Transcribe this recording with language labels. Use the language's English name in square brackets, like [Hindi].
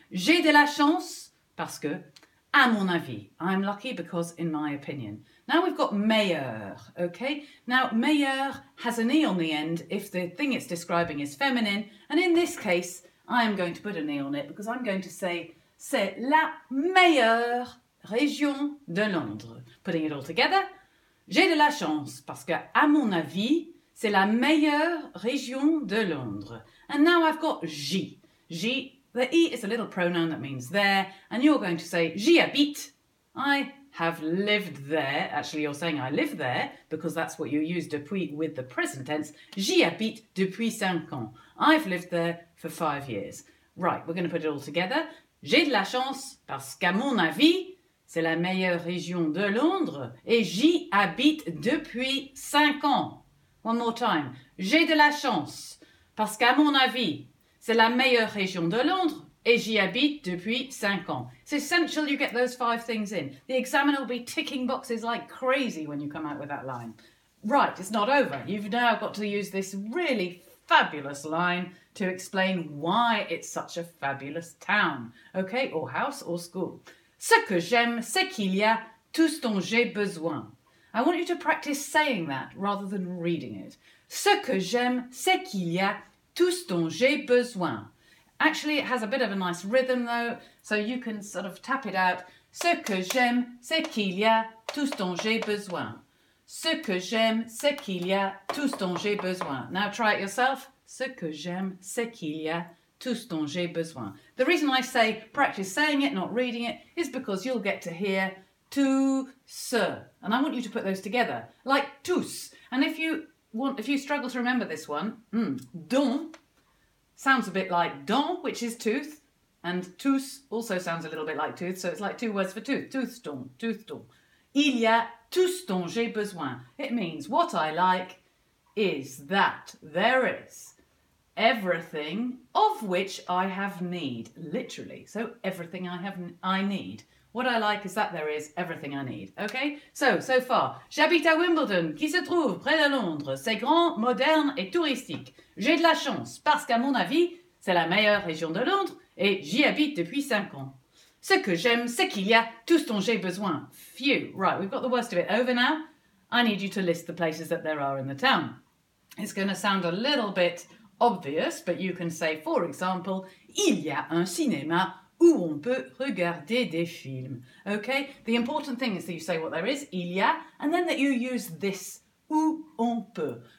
[French] J'ai de la chance parce que, à mon avis. [English] I'm lucky because, in my opinion. Now we've got meilleur, okay? Now, meilleur has an E on the end if the thing it's describing is feminine. And in this case, I am going to put an E on it because I'm going to say, [French] c'est la meilleure région de Londres. [English] Putting it all together. [French] J'ai de la chance parce que, à mon avis, c'est la meilleure région de Londres. [English] And now I've got J. J, the E is a little pronoun that means there, and you're going to say [French] j'y habite. [English] I have lived there. Actually, you're saying I live there because that's what you use depuis with the present tense. [French] J'y habite depuis 5 ans. [English] I've lived there for 5 years. Right, we're going to put it all together. [French] J'ai de la chance parce qu'à mon avis, c'est la meilleure région de Londres et j'y habite depuis 5 ans. [English] One more time. [French] J'ai de la chance parce qu'à mon avis, c'est la meilleure région de Londres et j'y habite depuis 5 ans. [English] It's essential you get those five things in. The examiner will be ticking boxes like crazy when you come out with that line. Right, it's not over. You've now got to use this really fabulous line to explain why it's such a fabulous town, okay, or house or school. [French] Ce que j'aime, c'est qu'il y a tout ce dont j'ai besoin. [English] I want you to practice saying that rather than reading it. [French] Ce que j'aime, c'est qu'il y a tout ce dont j'ai besoin. [English] Actually, it has a bit of a nice rhythm though, so you can sort of tap it out. [French] Ce que j'aime, c'est qu'il y a tout ce dont j'ai besoin. Ce que j'aime, c'est qu'il y a tout ce dont j'ai besoin. [English] Now try it yourself. [French] Ce que j'aime, c'est qu'il y a tout ce dont j'ai besoin. [English] The reason I say practice saying it, not reading it, is because you'll get to hear tout ce. And I want you to put those together, like tous. And if you struggle to remember this one, dont sounds a bit like dent, which is tooth, and tous also sounds a little bit like tooth, so it's like two words for tooth, tooth dont, tooth dont. [French] Il y a tout ce dont j'ai besoin. [English] It means what I like is that there is everything of which I have need, literally. So everything I need. What I like is that there is everything I need. Okay? So far. [French] J'habite à Wimbledon, qui se trouve près de Londres. C'est grand, moderne et touristique. J'ai de la chance, parce qu'à mon avis, c'est la meilleure région de Londres et j'y habite depuis 5 ans. Ce que j'aime, c'est qu'il y a tout ce dont j'ai besoin. Phew. [English] Right, we've got the worst of it over now. I need you to list the places that there are in the town. It's going to sound a little bit obvious, but you can say, for example, [French] il y a un cinéma où on peut regarder des films. [English] Okay, the important thing is that you say what there is, il y a, and then that you use this, où on peut.